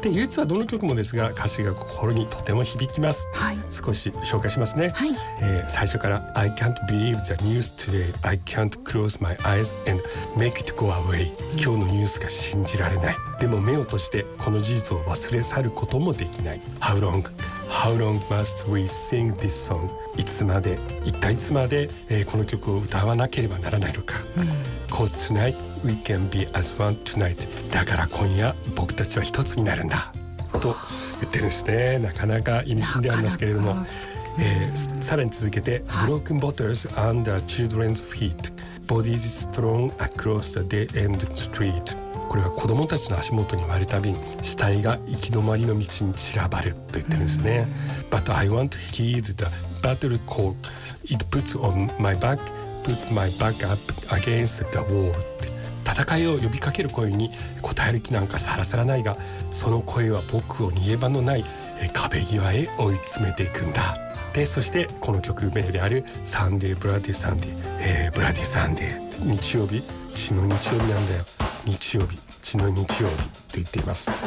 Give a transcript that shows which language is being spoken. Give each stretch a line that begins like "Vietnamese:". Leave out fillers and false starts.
Japanese: で唯一はどの曲もですが歌詞が心にとても響きます。はい、少し紹介しますね。はい、最初から
English: I can't believe the news today I can't close my eyes and make it go away、
Japanese: うん、今日のニュースが信じられない、でも目を閉じてこの事実を忘れ去ることもできない。
English: How long must we sing this song?
Japanese: いつまで、一体いつまで、この曲を歌わなければならないのか。うん、
English: Cause tonight we can be as one tonight
Japanese: だから今夜僕たちは一つになるんだと言ってるんですね。なかなか意味深でありますけれども、さらに続けて、はい、
English: Broken bottles under children's feet bodies strewn across the dead end street、
Japanese: これは子供たちの足元に割れた瓶、死体が行き止まりの道に散らばると言ってるんですね。
English: But I want to hear the battle call. It puts on my back, puts my back up against the wall.
Japanese: 戦いを呼びかける声に応える気なんかさらさらないが、その声は僕を逃げ場のない壁際へ追い詰めていくんだ。でそしてこの曲名であるサンデーブラディサンデー、ブラディサンデー、日曜日、血の日曜日なんだよ、日曜日、血の日曜日と言っています。